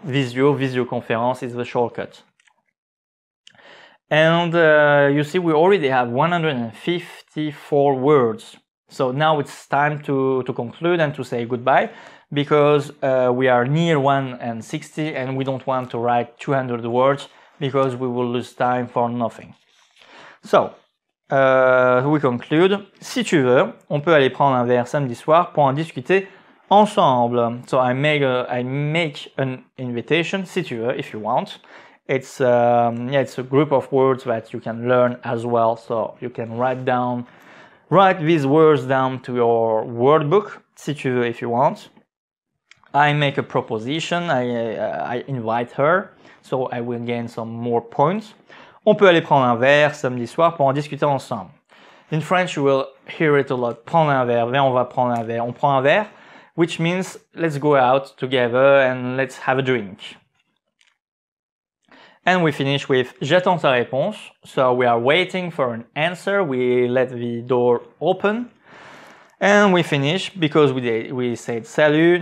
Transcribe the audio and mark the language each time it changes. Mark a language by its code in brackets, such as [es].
[en] Visio, visioconference is the shortcut. And you see, we already have 154 words. So now it's time to conclude and to say goodbye because we are near 160 and we don't want to write 200 words because we will lose time for nothing. So, we conclude. [fr] Si tu veux, on peut aller prendre un verre samedi soir pour en discuter ensemble. [en] So I make an invitation, [fr] si tu veux, [en] if you want. It's a group of words that you can learn as well. So you can write these words down to your word book, [fr] si tu veux, [en] if you want. I make a proposition, I invite her, so I will gain some more points. [fr] On peut aller prendre un verre samedi soir pour en discuter ensemble. [en] In French, you will hear it a lot. [fr] Prendre un verre, viens, on va prendre un verre. On prend un verre, [en] which means let's go out together and let's have a drink. And we finish with [fr] j'attends ta réponse. [en] So we are waiting for an answer. We let the door open. And we finish because we said salut.